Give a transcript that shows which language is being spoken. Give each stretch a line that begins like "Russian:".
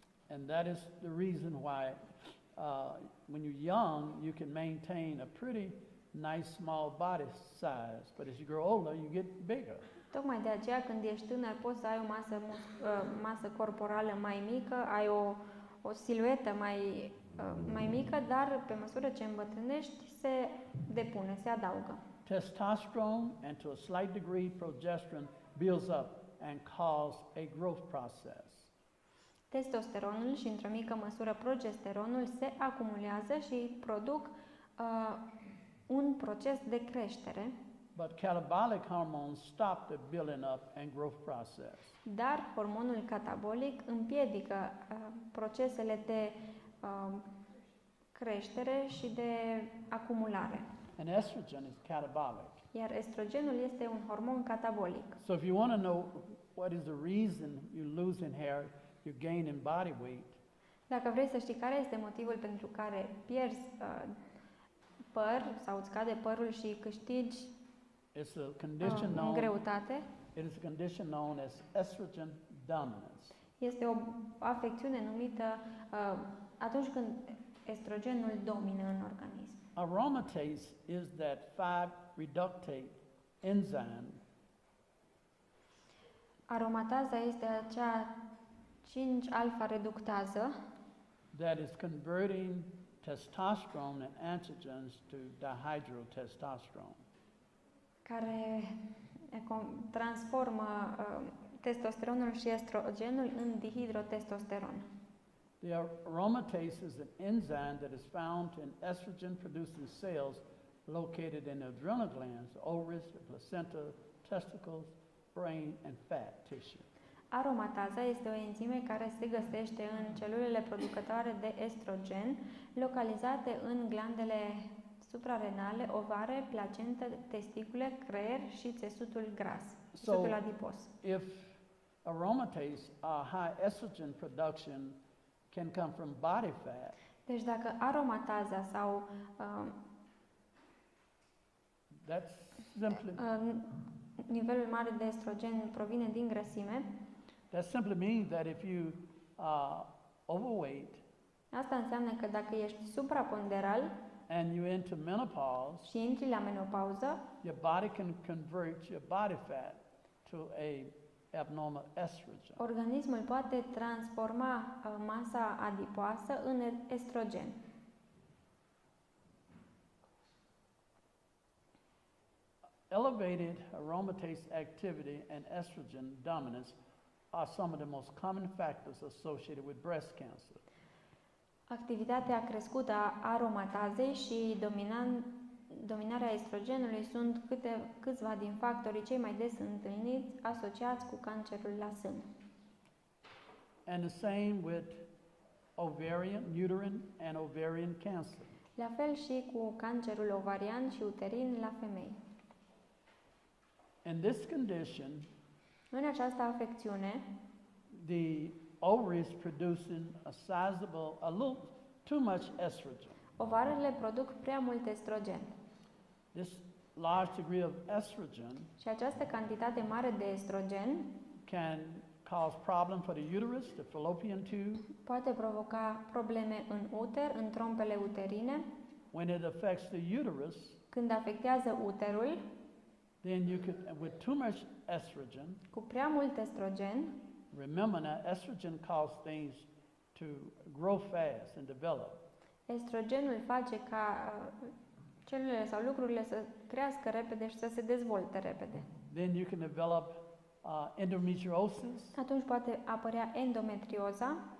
English: And that is the reason why when you're young you can maintain a pretty nice small body size, but as you grow older you get bigger.
Romanian: Tocmai de aceea când ești tânăr poți să ai o masă corporală mai mică, ai o siluetă mai mică, dar pe măsură ce îmbătrânești se depune, se adaugă.
English: Testosterone and to a slight degree progesterone builds up and causes a growth process.
Romanian: Testosteronul și într-o mică măsură progesteronul se acumulează și produc un proces de creștere.
English: But catabolic hormones stop the building up and growth process.
Romanian: Dar hormonul catabolic împiedică procesele de creștere și de acumulare.
English: And estrogen is catabolic.
Romanian: Iar estrogenul este un hormon catabolic.
English: So if you want to know what is the reason you lose in hair, you gain in body weight.
Romanian: Dacă vrei să știi care este motivul pentru care pierzi păr sau îți cade părul și câștigi
English: It's a condition known,
Romanian: greutate.
English: It is a condition known as estrogen dominance.
Romanian: Este o afecțiune numită atunci când estrogenul domină în organism.
English: Aromatase is that 5-reductase enzyme.
Romanian: Aromataza este acea 5-alfa-reductază.
English: That is converting testosterone and androgens to dihydrotestosterone.
Romanian: Care transformă testosteronul și estrogenul în dihidrotestosteron.
English: The aromatase is an enzyme that is found in estrogen-producing cells located in adrenal glands, ovaries, placenta, testicles, brain, and fat tissue.
Romanian: Aromataza este o enzimă care se găsește în celulele producătoare de estrogen localizate în glandele suprarenale, ovare, placentă, testicule, creier și țesutul gras, țesutul adipos.
English: If aromatase or high estrogen production can come from body fat.
Romanian: Deci dacă aromataza sau
English: that's simply
Romanian: nivelul mare de estrogen provine din grăsime.
English: That simply means that if you are overweight.
Romanian: Asta înseamnă că dacă ești supraponderal
English: and you enter menopause,
Romanian: și intri la menopauză,
English: your body can convert your body fat to a abnormal estrogen.
Romanian: Organismul poate transforma masa adipoasă în estrogen.
English: Elevated aromatase activity and estrogen dominance are some of the most common factors associated with breast cancer.
Romanian: Activitatea crescută a aromatazei și dominarea estrogenului sunt câțiva din factorii cei mai des întâlniți asociați cu cancerul la sân.
English: And the same with ovarian, uterine and ovarian cancer.
Romanian: La fel și cu cancerul ovarian și uterin la femei.
English: In this condition,
Romanian: în această afecțiune,
English: the ovaries producing a sizable, a little too much estrogen.
Romanian: Ovarele produc prea mult estrogen.
English: This large degree of estrogen.
Romanian: Și această cantitate mare de estrogen
English: can cause problem for the uterus, the fallopian tube.
Romanian: Poate provoca probleme în uter, în trompele uterine.
English: When it affects the uterus.
Romanian: Când afectează uterul.
English: Then you could, with too much estrogen.
Romanian: Cu prea mult estrogen.
English: Remember now, estrogen causes things to grow fast and develop.
Romanian: Estrogenul face ca celulele sau lucrurile să crească repede și să se dezvolte repede.
English: Then you can develop endometriosis.
Romanian: Atunci poate apărea endometrioza.